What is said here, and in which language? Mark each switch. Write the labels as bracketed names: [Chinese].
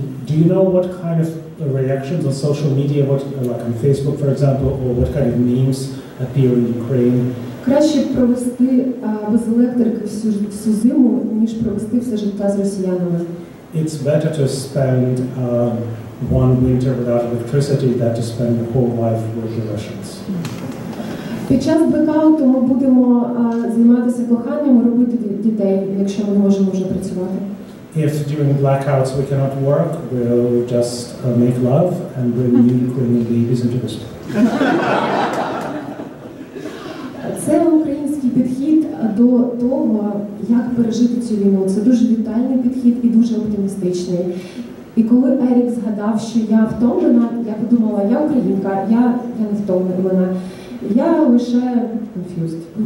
[English] Do you know what kind of reactions on social media, like on Facebook, for example, or what kind of memes appear in Ukraine? [Ukrainian] Краще провести без електрики всю зиму, ніж провести все життя з росіянами. [English] It's better to spend one winter without electricity than to spend your whole life with the Russians. [Ukrainian] Під час блекауту ми будемо займатися коханням, робити дітей, якщо ми можемо вже працювати. [English] If during blackouts we cannot work, we'll just make love and bring new Ukrainian babies into this world. [Ukrainian] Це український підхід до того, як пережити цю війну. Це дуже вітальний підхід і дуже оптимістичний. І коли Ерік згадав, що я втомлена, я подумала, я українка, я не втомлена. Я лише [English] confused.